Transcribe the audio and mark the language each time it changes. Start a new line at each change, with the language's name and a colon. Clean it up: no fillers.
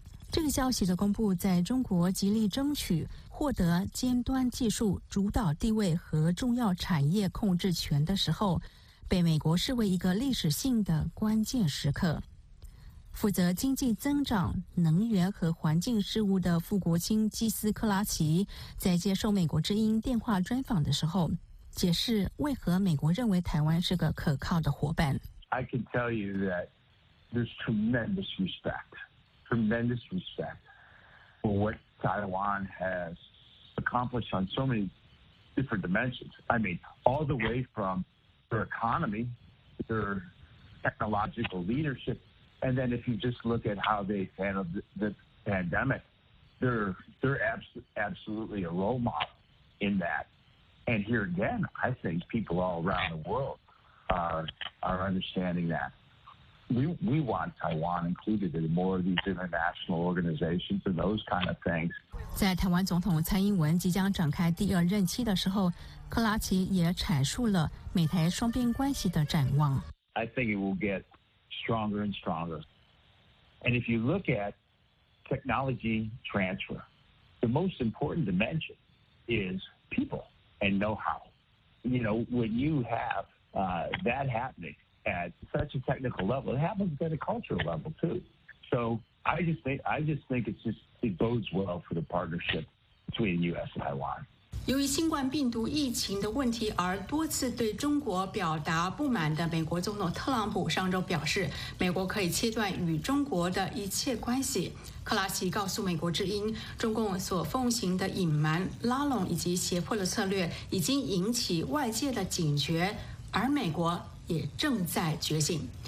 Chinese: 这个消息的公布，在中国极力争取获得尖端技术主导地位和重要产业控制权的时候，被美国视为一个历史性的关键时刻。负责经济增长、能源和环境事务的副国务卿基斯克拉奇在接受美国之音电话专访的时候，解释为何美国认为台湾是个可靠的伙伴。
English: I can tell you that there's tremendous respect for what Taiwan has accomplished on so many different dimensions. I mean, all the way from their economy, their technological leadership, and then if you just look at how they handled the pandemic, they're absolutely a role model in that. And here again, I think people all around the world are understanding that. We want Taiwan included in more of these international organizations and those kind of things.
Chinese: 在台湾总统蔡英文即将展开第二任期的时候，克拉奇也阐述了美台双边关系的展望。
English: I think it will get stronger and stronger. And if you look at technology transfer, the most important dimension is people. And know-how. You know, when you have that happening at such a technical level, it happens at a cultural level too. So I just think it bodes well for the partnership between U.S. and Taiwan.
Chinese: 由于新冠病毒疫情的问题而多次对中国表达不满的美国总统特朗普上周表示，美国可以切断与中国的一切关系。克拉奇告诉美国之音，中共所奉行的隐瞒、拉拢以及胁迫的策略已经引起外界的警觉，而美国也正在觉醒。